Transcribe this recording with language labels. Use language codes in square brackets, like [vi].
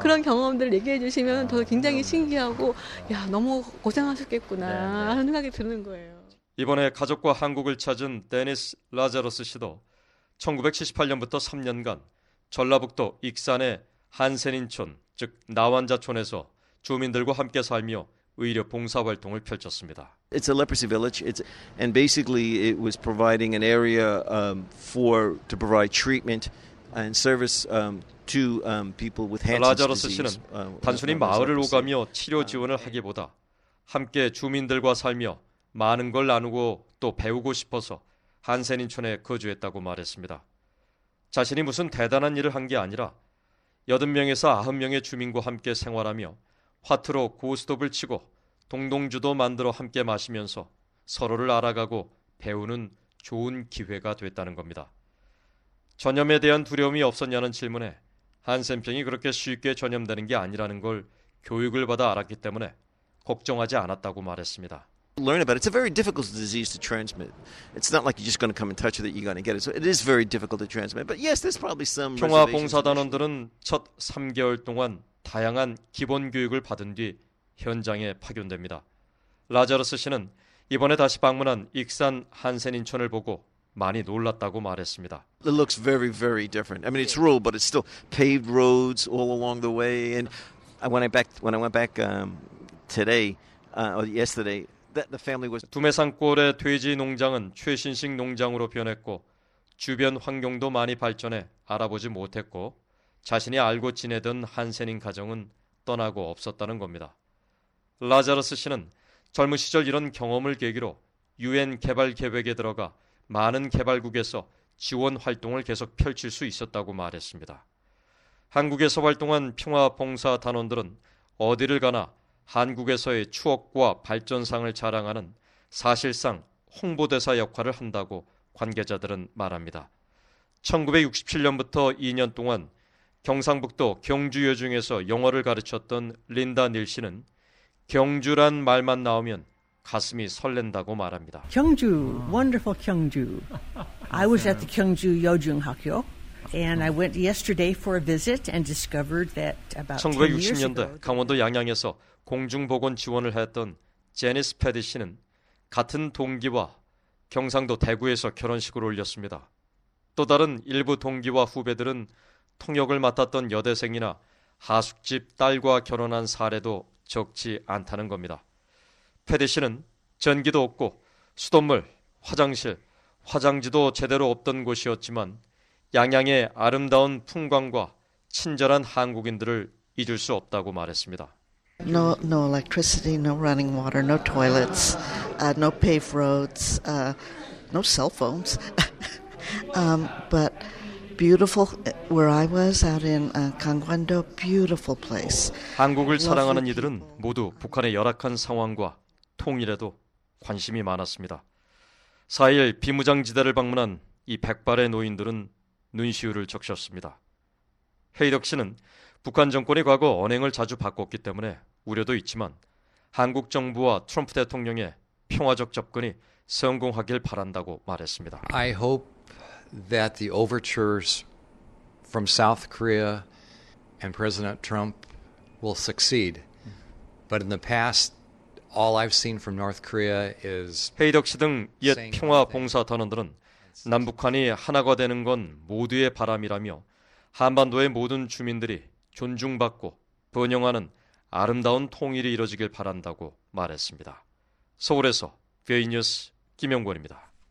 [ko] 그런 경험들을 얘기해 주시면 더 굉장히 신기하고 야 너무 고생하셨겠구나 하는 생각이 드는 거예요. 이번에 가족과 한국을 찾은 데니스 라자로스 씨도 1978년부터 3년간 전라북도 익산의 한센인촌, 즉 나환자촌에서 주민들과 함께 살며 의료 봉사 활동을 펼쳤습니다. [en] It's a leprosy village. It's and basically it was providing an area for to provide treatment and service. To people with Hansen's disease. [ko] 라자로스 씨는 단순히 마을을 오가며 치료 지원을 하기보다 함께 주민들과 살며 많은 걸 나누고 또 배우고 싶어서 한센인촌에 거주했다고 말했습니다. 자신이 무슨 대단한 일을 한 게 아니라 80명에서 90명의 주민과 함께 생활하며 화투로 고스톱을 치고 동동주도 만들어 함께 마시면서 서로를 알아가고 배우는 좋은 기회가 됐다는 겁니다. 전염에 대한 두려움이 없었냐는 질문에 한센병이 그렇게 쉽게 전염되는 게 아니라는 걸 교육을 받아 알았기 때문에 걱정하지 않았다고 말했습니다. [en] Learn about it. It's a very difficult disease to transmit. It's not like you're just going to come and touch it that you're going to get it. So it is very difficult to transmit. But yes, there's probably some. [ko] 평화봉사단원들은 첫 3개월 동안 다양한 기본 교육을 받은 뒤 현장에 파견됩니다. 라자르스 씨는 이번에 다시 방문한 익산 한센인촌을 보고 많이 놀랐다고 말했습니다. [en] It looks very, very different. I mean, it's rural, but it's still paved roads all along the way. And when I went back today or yesterday, that the family was. [ko] 두메산골의 돼지 농장은 최신식 농장으로 변했고 주변 환경도 많이 발전해 알아보지 못했고 자신이 알고 지내던 한센인 가정은 떠나고 없었다는 겁니다. 라자러스 씨는 젊은 시절 이런 경험을 계기로 UN 개발 계획에 들어가 많은 개발국에서 지원 활동을 계속 펼칠 수 있었다고 말했습니다. 한국에서 활동한 평화봉사 단원들은 어디를 가나 한국에서의 추억과 발전상을 자랑하는 사실상 홍보대사 역할을 한다고 관계자들은 말합니다. 1967년부터 2년 동안 경상북도 경주여중에서 영어를 가르쳤던 린다 닐 씨는 경주란 말만 나오면 가슴이 설렌다고 말합니다. [en] 경주, wonderful 경주. I was at the 경주 여중 학교. And I went yesterday for a visit and discovered that about [ko] 1960년대 강원도 양양에서 공중보건 지원을 했던 제니스 패디 씨는 같은 동기와 경상도 대구에서 결혼식을 올렸습니다. 또 다른 일부 동기와 후배들은 통역을 맡았던 여대생이나 하숙집 딸과 결혼한 사례도 적지 않다는 겁니다. 패디 씨는 전기도 없고 수돗물, 화장실, 화장지도 제대로 없던 곳이었지만 양양의 아름다운 풍광과 친절한 한국인들을 잊을 수 없다고 말했습니다. [en] No electricity, no running water, no toilets, no paved roads, no cell phones. but beautiful where I was out in Gangwon-do, beautiful place. [ko] 한국을 사랑하는 이들은 모두 북한의 열악한 상황과 통일에도 관심이 많았습니다. 4일 비무장지대를 방문한 이 백발의 노인들은 눈시울을 적셨습니다. 헤이덕 씨는 북한 정권이 과거 언행을 자주 바꿨기 때문에 우려도 있지만 한국 정부와 트럼프 대통령의 평화적 접근이 성공하길 바란다고 말했습니다. [en] I hope that the overtures from South Korea and President Trump will succeed. But in the past, all I've seen from North Korea is [ko] 헤이덕 씨 등 옛 평화 봉사 단원들은 남북한이 하나가 되는 건 모두의 바람이라며 한반도의 모든 주민들이 존중받고 번영하는 아름다운 통일이 이뤄지길 바란다고 말했습니다. 서울에서 VOA 뉴스 김영권입니다.